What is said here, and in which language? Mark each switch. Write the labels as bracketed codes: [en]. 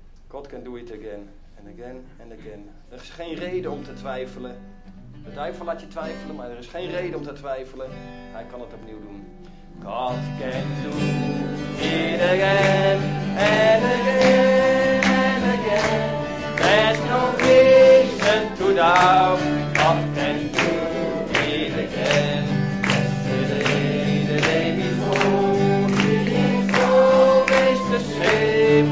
[en] God can do it again, and again, and again. [nl] Er is geen reden om te twijfelen. De duivel laat je twijfelen, maar er is geen reden om te twijfelen. Hij kan het opnieuw doen. [en] God can do it again, and again, and again. There's no reason to doubt. God can do it again. Yesterday, the day before, it's always the same.